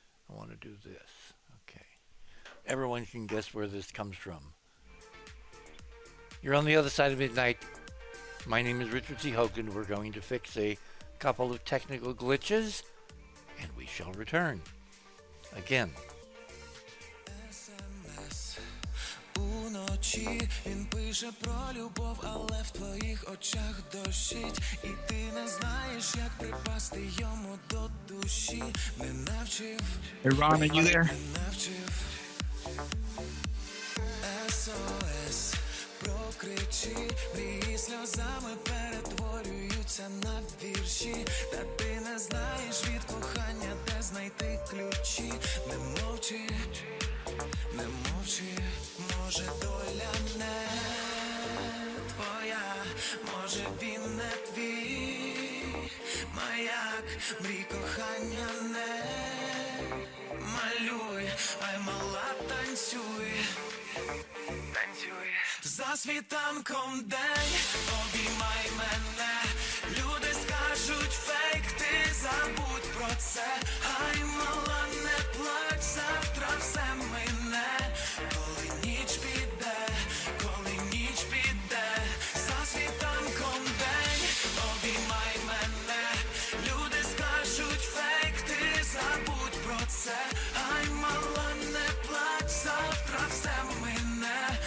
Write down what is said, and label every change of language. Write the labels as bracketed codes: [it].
[en] I want to do this, okay? Everyone can guess where this comes from. You're on the other side of midnight. My name is Richard C. Hogan. We're going to fix a couple of technical glitches, and we shall return again. [uk] Ночі він пише про любов, але в твоїх очах дощить, і ти не знаєш, як припасти йому до душі. Не навчив. SOS прокричи, мрії сльозами перетворюються на вірші, та ти не знаєш від кохання, де знайти ключі. Не мовчи, не мовчи, може доля не твоя, може він не твій маяк, мрій кохання не малюй, ай мала танцюй. За світанком день обіймай мене, люди скажуть фе. забудь про це. Хай мала не плач, завтра все мине. Коли ніч піде, коли ніч піде, за світанком день обіймай мене. Люди скажуть фейк, ти забудь про це. Хай мала не плач, завтра все мине.